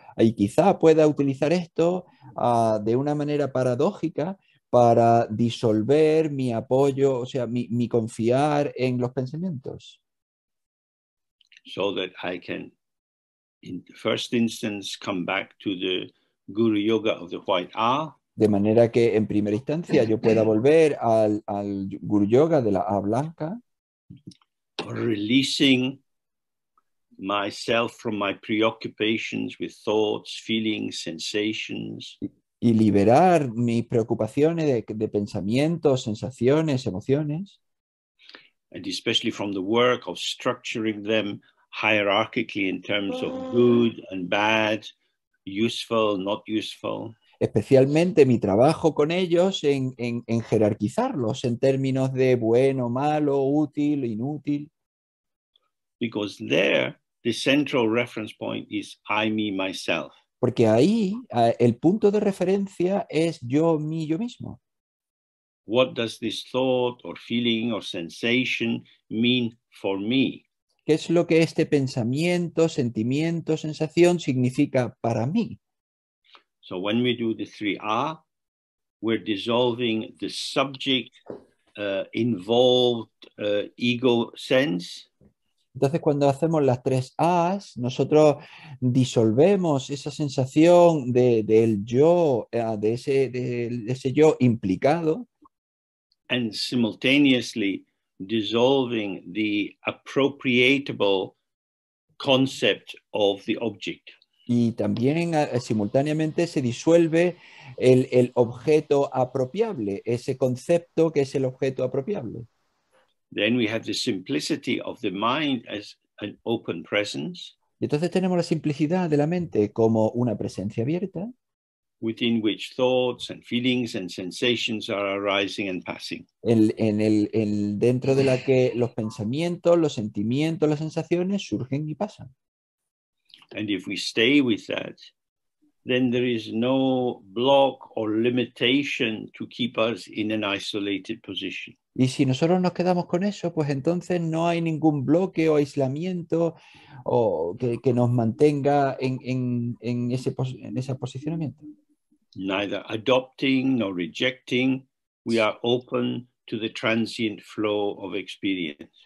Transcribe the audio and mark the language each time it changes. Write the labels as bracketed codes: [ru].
[es] Y quizá pueda utilizar esto de una manera paradójica para disolver mi apoyo, o sea, mi confiar en los pensamientos. [en] So that I can, in the first instance, come back to the Guru Yoga of the White Owl. [es] De manera que en primera instancia yo pueda volver al Guru Yoga de la A blanca. [en] Releasing myself from my preoccupations with thoughts, feelings, sensations. [es] Y liberar mis preocupaciones de pensamientos, sensaciones, emociones. [en] And especially from the work of structuring them hierarchically in terms of good and bad, useful, not useful. [es] Especialmente mi trabajo con ellos en jerarquizarlos en términos de bueno, malo, útil, inútil. [en] Because there, the central reference point is I, me, myself. [es] Porque ahí el punto de referencia es yo, mí, yo mismo. [en] What does this thought or feeling or sensation mean for me? [es] ¿Qué es lo que este pensamiento, sentimiento, sensación significa para mí? [en] So when we do the 3A, we're dissolving the subject involved ego sense. [es] Entonces, cuando hacemos las tres A's, nosotros disolvemos esa sensación del yo, de ese yo implicado. [en] And simultaneously, dissolving the appropriatable concept of the object. [es] Y también simultáneamente se disuelve el objeto apropiable, ese concepto que es el objeto apropiable. [en] Then we have the simplicity of the mind as an open presence. [es] Y entonces tenemos la simplicidad de la mente como una presencia abierta. [en] Within which thoughts and feelings and sensations are arising and passing. [es] En el dentro de la que los pensamientos, los sentimientos, las sensaciones surgen y pasan. [en] And if we stay with that, then there is no block or limitation to keep us in an isolated position. [es] Y si nosotros nos quedamos con eso, pues entonces no hay ningún bloque o aislamiento o que nos mantenga en ese posicionamiento. [en] Neither adopting nor rejecting, we are open to the transient flow of experience.